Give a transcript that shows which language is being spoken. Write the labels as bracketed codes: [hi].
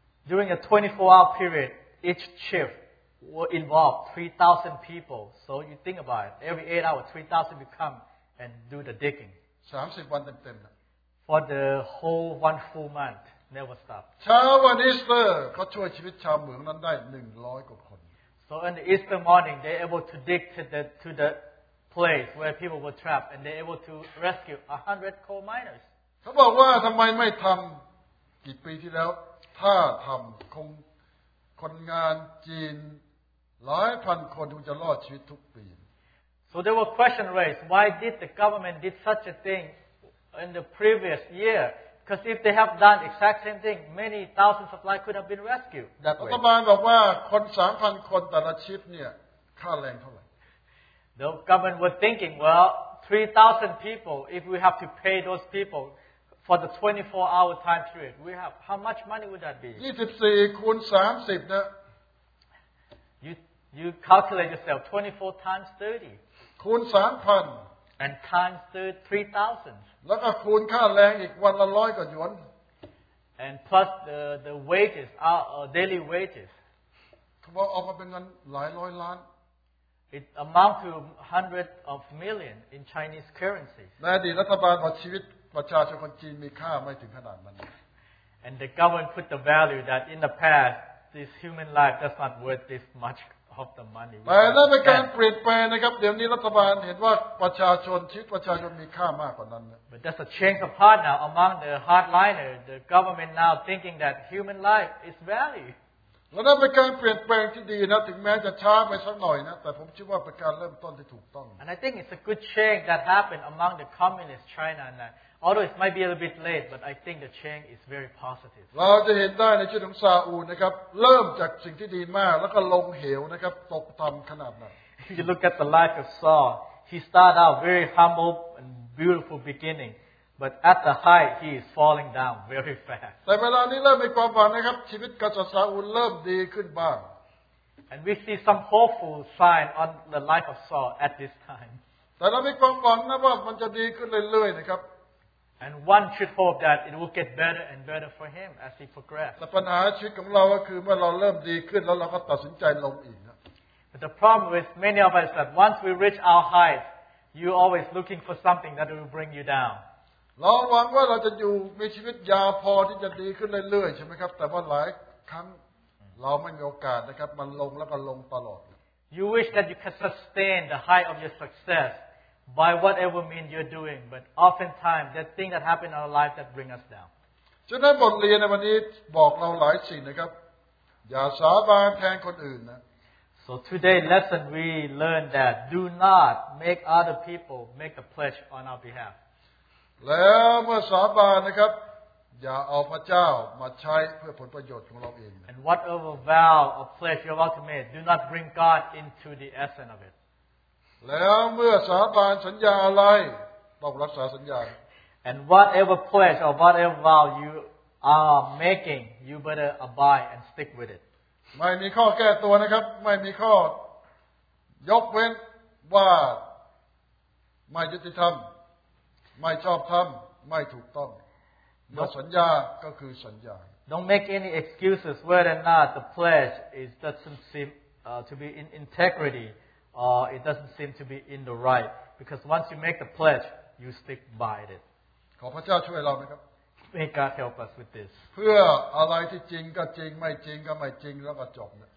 [en] during a 24 hour period each shift will involve 3,000 people so you think about it every 8 hours 3,000 will come and do the digging [th] 30 วันเต็มๆนะ [en] For the whole one full month never stop [th] ชาววันอีสเตอร์เขาช่วยชีวิตชาวเหมืองนั้นได้100กว่าคน [en] So on the Easter morning they able to dig to the place where people were trapped and they able to rescue 100 coal miners [th] เขาบอกว่าทำไมไม่ทำกี่ปีที่แล้วถ้าทำคงคนงานจีนหลายพันคนคงจะรอดชีวิตทุกปี [en] So there were questions raised, why did the government did such a thing in the previous year? Because if they have done exact same thing, many thousands of lives could have been rescued. [th] รัฐบาลบอกว่าคน 3,000 คนแต่ละชิปเนี่ยค่าแรงเท่าไหร่ [en] The government were thinking, well, 3,000 people, if we have to pay those people for the 24-hour time period, we have, how much money would that be? [th] 24 คูณ 30 นะ [en] You calculate yourself 24 times 30. [th] คูณ 3,000 [en] and times 3,000. [th] แล้วก็คูณค่าแรงอีกวันละ100กว่าหยวน [en] and plus the wages are daily wages. [th] เขาบอกออกมาเป็นเงินหลายร้อยล้าน [en] It amount to hundreds of million in Chinese currency. [th] ในอดีตรัฐบาลบอกชีวิตประชาชนคนจีนมีค่าไม่ถึงขนาดนั้น [en] and the government put the value that in the past this human life does not worth this much. [th] แต่นั่นเป็นการเปลี่ยนแปลงนะครับเดี๋ยวนี้รัฐบาลเห็นว่าประชาชนชีวิตประชาชนมีค่ามากกว่านั้นนะ [en] But that's a change of heart now among the hardliner the government now thinking that human life is value [th] แล้วนั่นเป็นการเปลี่ยนแปลงที่ดีนะถึงแม้จะช้าไปสักหน่อยนะแต่ผมคิดว่าเป็นการเริ่มต้นที่ถูกต้อง [en] And I think it's a good change that happened among the communist China now although it might be a little bit late but I think the change is very positive [th] เราจะเห็นได้ในชีวิตของซาอูลนะครับเริ่มจากสิ่งที่ดีมากแล้วก็ลงเหวนะครับตกต่ำขนาดนั้น [en] You look at the life of Saul he started out very humble and beautiful beginning but at the height he is falling down very fast [th] แต่เวลานี้เริ่มมีความหวังนะครับชีวิตกษัตริย์ซาอูลเริ่มดีขึ้นบ้าง [en] And we see some hopeful sign on the life of Saul at this time. [th] แต่เรามีความหวังนะว่ามันจะดีขึ้นเรื่อยๆนะครับ [en] And one should hope that it will get better and better for him as he progresses. [th] แต่ปัญหาชีวิตของเราก็คือเมื่อเราเริ่มดีขึ้นแล้วเราก็ตัดสินใจลงอีกนะ [en] But the problem with many of us is that once we reach our height, you're always looking for something that will bring you down. [th] เราหวังว่าเราจะอยู่มีชีวิตยาวพอที่จะดีขึ้นเรื่อยๆใช่ไหมครับแต่ว่าหลายครั้งเราไม่มีโอกาสนะครับมันลงแล้วก็ลงตลอด [en] You wish that you can sustain the height of your success by whatever means you're doing, but oftentimes the thing that happen in our life that bring us down. [th] ฉะนั้นบทเรียนในวันนี้บอกเราหลายสิ่งนะครับอย่าสาบานแทนคนอื่นนะ [en] So today lesson we learn that do not make other people make a pledge on our behalf. [th] แล้วเมื่อสาบานนะครับอย่าเอาพระเจ้ามาใช้เพื่อผลประโยชน์ของเราเอง [en] And whatever vow or pledge you're about to make, do not bring God into the essence of it. [th] แล้วเมื่อสาบานสัญญาอะไรต้องรักษาสัญญา [en] And whatever pledge or whatever vow you are making, you better abide and stick with it. [th] ไม่มีข้อแก้ตัวนะครับไม่มีข้อยกเว้นว่าไม่ยุติธรรมไม่ชอบทำไม่ถูกต้องเมื่อสัญญาก็คือสัญญา [en] Don't make any excuses whether or not the pledge is doesn't seem to be in integrity or it doesn't seem to be in the right because once you make the pledge you stick by it [th] ขอพระเจ้าช่วยเราไหมครับ [en] May God help us with this [th] เพื่ออะไรที่จริงก็จริงไม่จริงก็ไม่จริงแล้วก็จบ